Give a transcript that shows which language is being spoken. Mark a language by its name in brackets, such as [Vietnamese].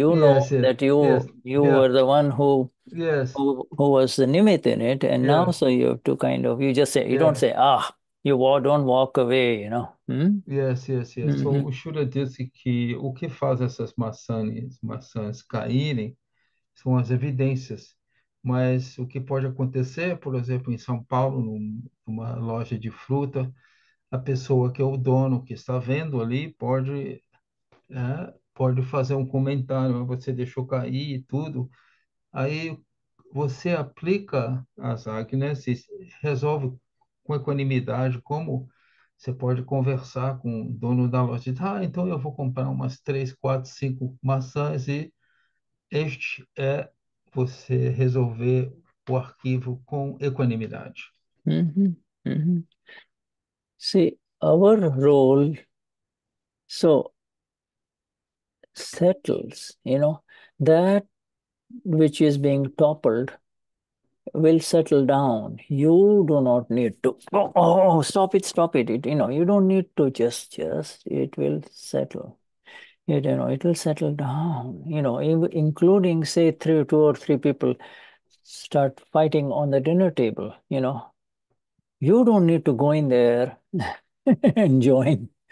[English] You know that you were the one who was the nimit in it, and now so you have to kind of, you just say, you don't say, ah. You don't walk away, you know. [Portuguese] So o Shura disse que o que faz essas maçãs caírem são as evidências. Mas o que pode acontecer, por exemplo, em São Paulo, numa loja de fruta, a pessoa que é o dono, que está vendo ali, pode fazer um comentário, você deixou cair e tudo. Aí você aplica as agnes, né, resolve com equanimidade, como você pode conversar com o dono da loja, então eu vou comprar umas 3, 4, 5 maçãs e este é você resolver o arquivo com equanimidade. [English] See, our role so settles, you know, that which is being toppled will settle down. You do not need to stop it, you know, you don't need to just it will settle, you know, it will settle down, you know, including say 2 or 3 people start fighting on the dinner table, you know, you don't need to go in there and join.